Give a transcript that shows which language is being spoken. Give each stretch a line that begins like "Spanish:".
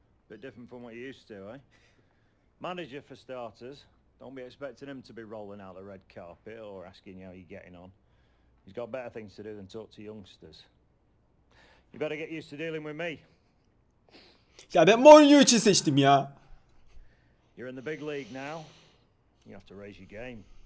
English: Bit different from what you used to, eh? Manager for starters. Don't be expecting him to be rolling out the red carpet or asking you how you're getting on. He's got better things to do than talk to youngsters. You better get used to dealing with me.
Turkish: Ya ben Mourinho için seçtim ya.
English: You're in the big league now. You have to raise your game.